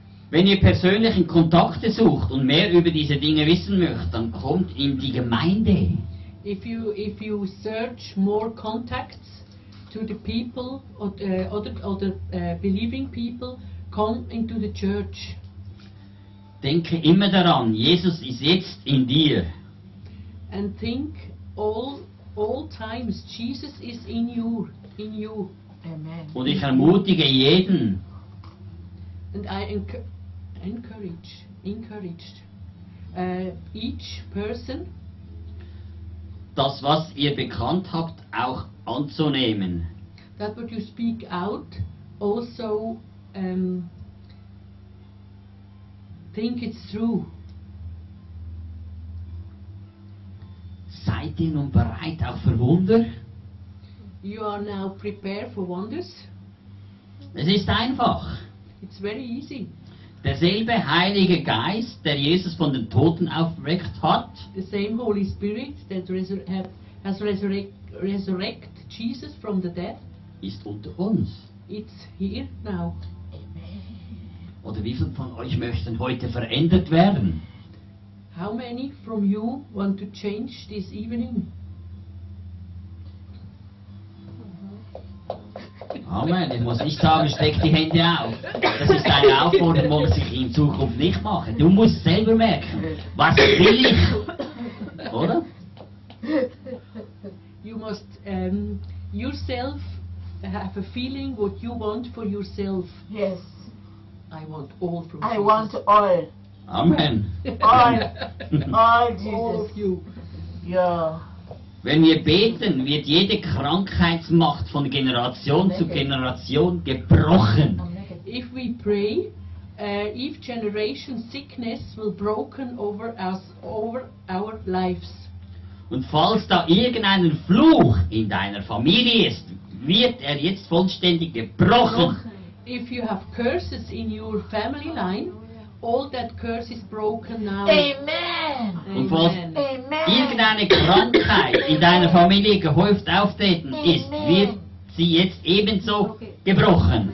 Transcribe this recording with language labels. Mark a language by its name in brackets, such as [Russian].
[German] Wenn ihr persönlichen Kontakte sucht und mehr über diese Dinge wissen möchtet, dann kommt in die Gemeinde. [English] If you search more contacts to the people or the believing people, come into the church. [German] Denke immer daran, Jesus ist jetzt in dir. [English] And think all times Jesus is in you. Amen. [German] Und ich ermutige jeden. [English] And I encourage each person, [German] das was ihr bekannt habt, auch anzunehmen. [English] That what you speak out, also think it's true. [German] Seid ihr nun bereit auch für Wunder? [English] You are now prepared for wonders. [German] Es ist einfach. [English] It's very easy. [German] Derselbe Heilige Geist, der Jesus von den Toten aufweckt hat. [English] The same Holy Spirit that has resurrected Jesus from the dead. [German] Ist unter uns. [English] It's here now. Amen. [German] Oder wie viele von euch möchten heute verändert werden? [English] How many from you want to change this evening? [German] Amen, ich muss nicht sagen, steck die Hände auf. Das ist eine Aufforderung, die ich in Zukunft nicht mache. Du musst selber merken, was will ich? Oder? [English] You must yourself have a feeling what you want for yourself. Yes. I want all from you. I want all. Amen. All Jesus. All of you. Ja. [German] Wenn wir beten, wird jede Krankheitsmacht von Generation zu Generation gebrochen. [English] If we pray, each generation sickness will broken over us, over our lives. [German] Und falls da irgendein Fluch in deiner Familie ist, wird jetzt vollständig gebrochen. [English] If you have curses in your family line, all that curse is broken now. Amen. [German] Und falls irgendeine Krankheit in deiner Familie gehäuft auftreten ist, wird sie jetzt ebenso gebrochen.